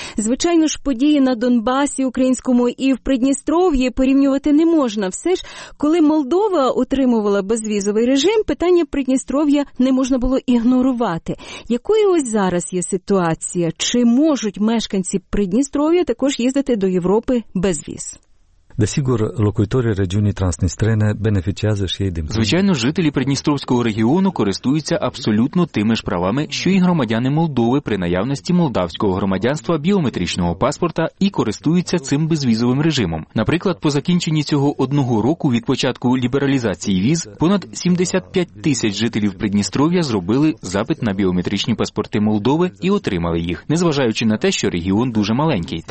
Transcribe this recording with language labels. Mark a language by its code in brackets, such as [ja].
[uk] Звичайно ж, події на Донбасі українському і в Придністров'ї порівнювати не можна. Все ж, коли Молдова отримувала безвізовий режим, питання Придністров'я не можна було ігнорувати. Якою ось зараз є ситуація? Чи можуть мешканці Придністров'я також їздити до Європи без віз? [ro] Desigur, locuitorii regiunii Transnistrene beneficiază și ei din. [uk] Звичайно, жителі Придністровського регіону користуються абсолютно тими ж правами, що й громадяни Молдови при наявності молдавського громадянства, біометричного паспорта і користуються цим безвізовим режимом. Наприклад, по закінченні цього 1 року від початку лібералізації віз, понад 75 тисяч жителів Придністров'я зробили запит на біометричні паспорти Молдови і отримали їх, незважаючи на те, що регіон дуже маленький.